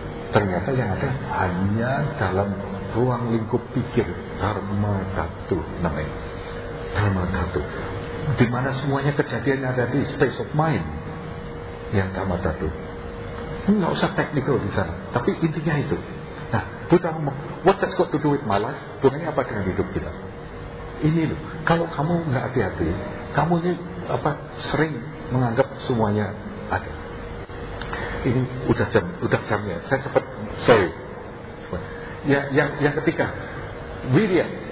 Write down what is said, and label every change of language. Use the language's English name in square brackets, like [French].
[Indonesian] Ternyata yang ada hanya dalam ruang lingkup pikir dharma tatu namanya. Dharma tatu. Di mana semuanya kejadiannya ada di [English] space of mind [Indonesian] yang dharma tatu. Enggak usah technical di sana, tapi intinya itu. Nah, Buddha ngomong, [English] what that's got to do with my life? [Indonesian] Gunanya apa dengan hidup kita? Ini loh, kalau kamu enggak hati-hati, kamu ini apa sering menganggap semuanya ada. Ini udah jamnya. Saya cepat, sorry. Ya, yang ketiga, wirya.